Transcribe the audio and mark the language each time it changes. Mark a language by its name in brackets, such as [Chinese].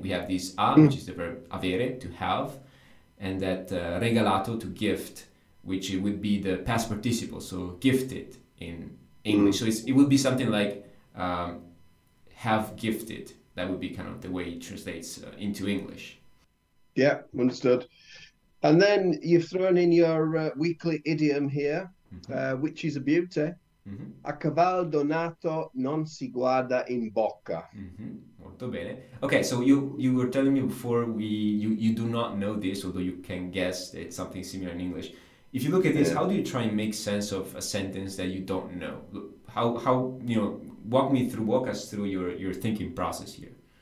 [English] We have this a, which is the verb avere, to have. And that regalato, to gift, which it would be the past participle, so gifted in English. So it would be something like have gifted. That would be kind of the way it translates into English. Yeah, understood. And then you've thrown in your weekly idiom here, which is a beauty. [Italian] A caval donato non si guarda in bocca. Molto bene. [English] Okay, so you were telling me before you do not know this, although you can guess it's something similar in English. If you look at this, how Yeah. do you try and make sense of a sentence that you don't know? How you know, walk us through your thinking process here.